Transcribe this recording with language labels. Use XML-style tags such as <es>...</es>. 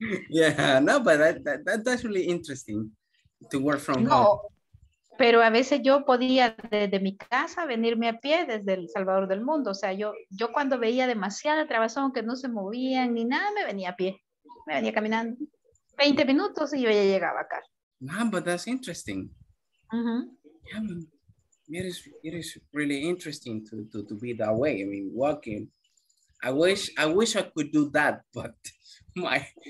<en>Yeah, no, but that's really interesting to work from home.</en> <es>Pero a veces yo podía desde mi casa venirme a pie desde El Salvador del Mundo. O sea, yo cuando veía demasiada trabazón que no se movían ni nada, me venía a pie. Me venía caminando 20 minutos y yo ya llegaba acá.</es> <en>Man, but that's interesting. Uh-huh. Yeah, man. It is really interesting to be that way. I mean, walking. I wish I could do that, but my...</en>